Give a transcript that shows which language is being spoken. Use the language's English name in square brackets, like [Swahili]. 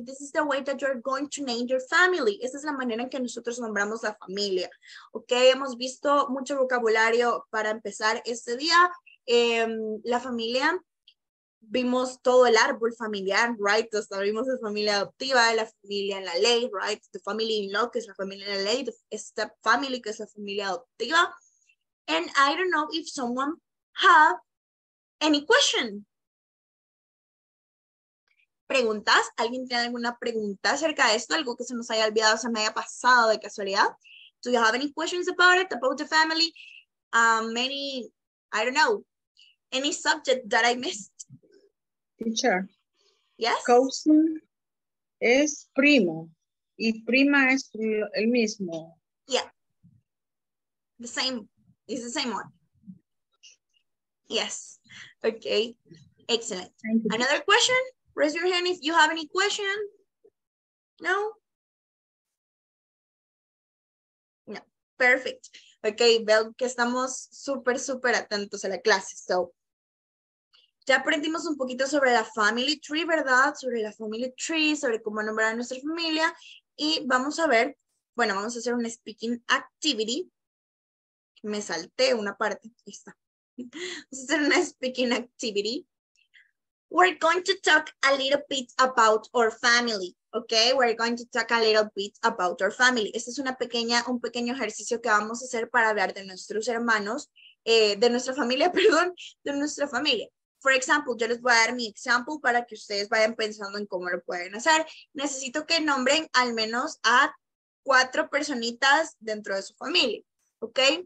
[English] This is the way that you're going to name your family. [Spanish] Esa es la manera en que nosotros nombramos la familia. Okay, hemos visto mucho vocabulario para empezar este día. La familia, vimos todo el árbol familiar, right? Hasta vimos la familia adoptiva, la familia en la ley, right? [English] The family in law, [Spanish] que es la familia en la ley. [English] The step family, [Spanish] que es la familia adoptiva. [English] And I don't know if someone have any question. [Spanish] ¿Preguntas? ¿Alguien tiene alguna pregunta acerca de esto? ¿Algo que se nos haya olvidado, se me haya pasado de casualidad? [English] Do you have any questions about it, about the family? Any, I don't know, any subject that I missed? Teacher. Yes? [Spanish] Cousin es primo. Y prima es el mismo. [English] Yeah. The same. It's the same one. Yes. Okay. Excellent. Thank you. Another question? Raise your hand if you have any question. No? [Spanish] No. Perfect. Okay, veo que estamos súper, súper atentos a la clase. So, ya aprendimos un poquito sobre la family tree, ¿verdad? Sobre la family tree, sobre cómo nombrar a nuestra familia. Y vamos a ver, bueno, vamos a hacer una speaking activity. Me salté una parte. Ahí está. Vamos a hacer una speaking activity. [English] We're going to talk a little bit about our family, okay? We're going to talk a little bit about our family. [Spanish] Este es un pequeño ejercicio que vamos a hacer para hablar de nuestros hermanos, de nuestra familia, perdón, de nuestra familia. For example, yo les voy a dar mi example para que ustedes vayan pensando en cómo lo pueden hacer. Necesito que nombren al menos a 4 personitas dentro de su familia, ¿ok?